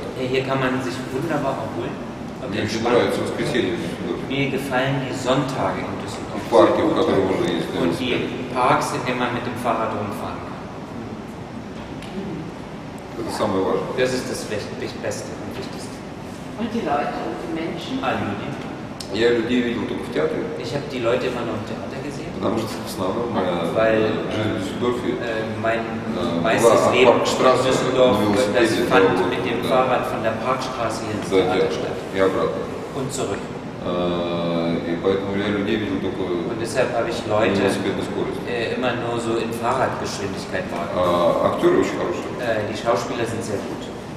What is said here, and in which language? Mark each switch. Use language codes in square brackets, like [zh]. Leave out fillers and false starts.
[de] Hier kann man sich wunderbar erholen. [ru] Мне очень нравится воскресенье в Дюссельдорфе. [de] Mir gefallen die Sonntage in Düsseldorf. [ru] И парки, в которые можно ездить. [de] Und die Parks, in denen man mit dem Fahrrad rumfahren kann. [ru] Это самое важное. [de] Das ist das Beste und Wichtigste. Und die Leute und die Menschen? Alle Leute. [ru] Я людей видел только в театре. [de] Ich habe die Leute immer nur im Theater gesehen. [ru] Потому что в основном жизнь в Дюссельдорфе. [de] Mein meistes Leben in Düsseldorf, das fand mit dem Fahrrad von der Parkstraße hier ins Theater statt. [ru] И обратно. [de] Und zurück. [ru] И поэтому я людей видел только в [de] Und deshalb habe ich Leute immer nur so in Fahrradgeschwindigkeit wahrgenommen. [ru] Актеры очень хорошие. [de] Die Schauspieler sind sehr gut.